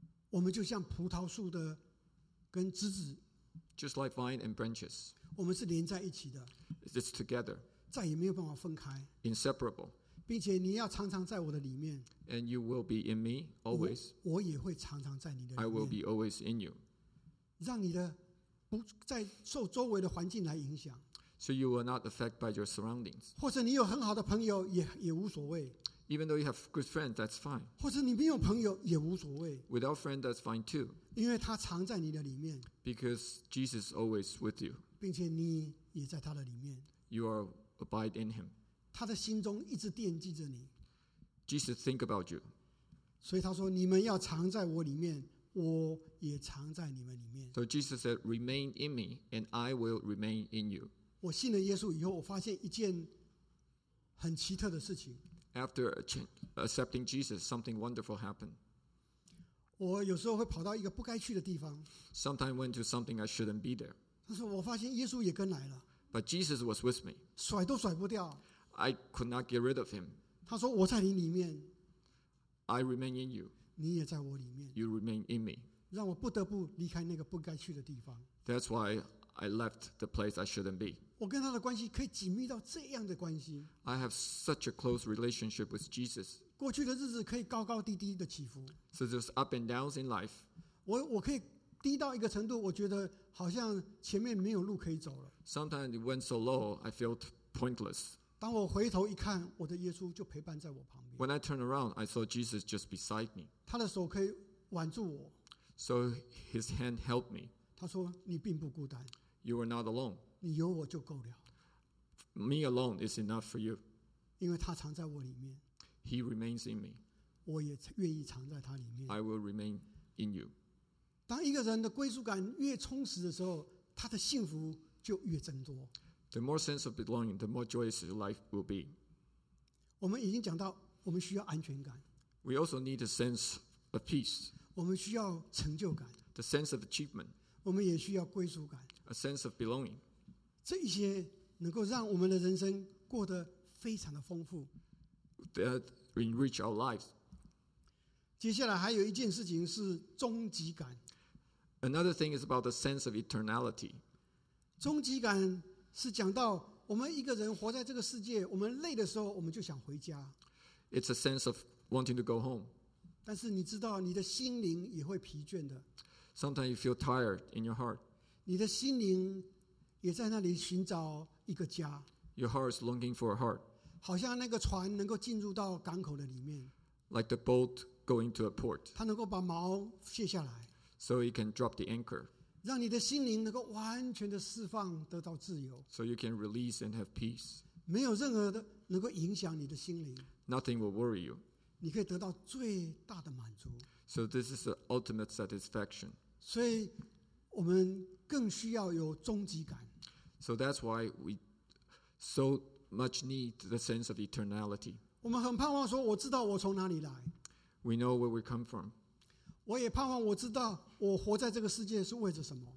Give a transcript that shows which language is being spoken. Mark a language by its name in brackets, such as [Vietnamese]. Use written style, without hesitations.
[Chinese] 我们就像葡萄树的跟枝子。 [English] Just like vine and branches. [Chinese] 我们是连在一起的。 [English] It's together. [Chinese] 再也没有办法分开。 [English] Inseparable. [Chinese] 并且你要常常在我的里面。 [English] And you will be in me always. [Chinese] 我也会常常在你的里面。 [English] I will be always in you. [Chinese] 让你的不再受周围的环境来影响。 [English] So you will not affect by your surroundings. [Chinese] 或者你有很好的朋友也无所谓。 [English] Even though you have good friends, that's fine. [Chinese] 或者你没有朋友也无所谓。 [English] Without friends, that's fine too. [Chinese] 因为他藏在你的里面。 [English] Because Jesus is always with you. [Chinese] 并且你也在他的里面。 [English] You are abide in him. [Chinese] 他的心中一直惦记着你。 [English] Jesus think about you. [Chinese] 所以他说，你们要藏在我里面，我也藏在你们里面。 [English] So Jesus said, remain in me, and I will remain in you. [Chinese] 我信了耶稣以后，我发现一件很奇特的事情。 [English] After accepting Jesus, something wonderful happened. [Chinese] 我有时候会跑到一个不该去的地方。 [English] Sometimes went to something I shouldn't be there. [Chinese] 但是我发现耶稣也跟来了。 [English] But Jesus was with me. [Chinese] 甩都甩不掉。 [English] I could not get rid of him. [Chinese] 他说我在你里面。 [English] I remain in you. [Chinese] 你也在我里面。 [English] You remain in me. [Chinese] 让我不得不离开那个不该去的地方。 [English] That's why I left the place I shouldn't be. [Chinese] 我跟他的关系可以紧密到这样的关系。 [English] I have such a close relationship with Jesus. [Chinese] 过去的日子可以高高低低的起伏。 [English] So there's up and downs in life. [Chinese] 我可以低到一个程度，我觉得好像前面没有路可以走了。 [English] Sometimes it went so low, I felt pointless. [Chinese] 当我回头一看，我的耶稣就陪伴在我旁边。 [English] When I turned around, I saw Jesus just beside me. [Chinese] 他的手可以挽住我。 [English] So his hand held me. [Chinese] 他说，你并不孤单。 [English] You are not alone. [Chinese] 你有我就够了。 [English] Me alone is enough for you. [Chinese] 因为他藏在我里面。 [English] He remains in me. [Chinese] 我也愿意藏在他里面。 [English] I will remain in you. [Chinese] 当一个人的归属感越充实的时候，他的幸福就越增多。 [English] The more sense of belonging, the more joyous your life will be. [Chinese] 我们已经讲到，我们需要安全感。 [English] We also need a sense of peace. [Chinese] 我们需要成就感。 [English] The sense of achievement. [Chinese] 我们也需要归属感。 [English] A sense of belonging. [Chinese] 这一些能够让我们的人生过得非常的丰富。 [English] That enrich our lives. [Chinese] 接下来还有一件事情是终极感。 [English] Another thing is about the sense of eternality. [Chinese] 终极感是讲到我们一个人活在这个世界，我们累的时候我们就想回家。 [English] It's a sense of wanting to go home. [Chinese] 但是你知道你的心灵也会疲倦的。 [English] Sometimes you feel tired in your heart. [Chinese] 你的心灵也在那里寻找一个家。 [English] Your heart is longing for a heart. [Chinese] 好像那个船能够进入到港口的里面。 [English] Like the boat going to a port. [Chinese] 它能够把锚卸下来。 [English] So you can drop the anchor. [Chinese] 让你的心灵能够完全的释放，得到自由。 [English] So you can release and have peace. [Chinese] 没有任何的能够影响你的心灵。 [English] Nothing will worry you. [Chinese] 你可以得到最大的满足。 [English] So this is the ultimate satisfaction. [Chinese] 所以我们更需要有终极感。 [English] So that's why we so much need the sense of eternality. [Chinese] 我们很盼望说，我知道我从哪里来。 [English] We know where we come from. [Chinese] 我也盼望我知道我活在这个世界是为着什么。